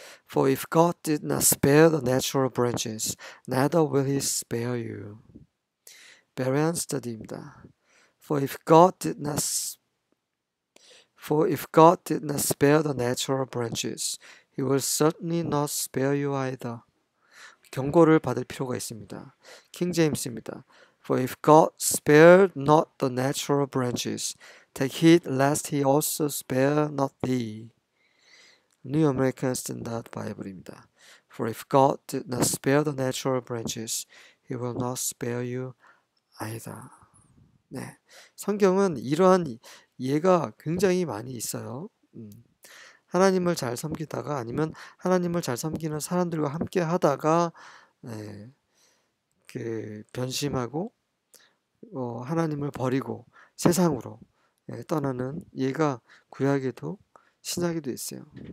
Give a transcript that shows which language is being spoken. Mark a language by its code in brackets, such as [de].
[en] For if God did not spare the natural branches, neither will he spare you. Berean Study입니다. For if God did not spare the natural branches, he will certainly not spare you either. [ko] 경고를 받을 필요가 있습니다. 킹 제임스입니다. [en] For if God spared not the natural branches, take heed lest he also spare not thee. New American Standard Bible입니다. For if God did not spare the natural branches, he will not spare you either. [ko] 네. 성경은 이러한 예가 굉장히 많이 있어요. 하나님을 잘 섬기다가 아니면 하나님을 잘 섬기는 사람들과 함께 하다가 네, 변심하고 하나님을 버리고 세상으로 떠나는 예가 구약에도 신약에도 있어요.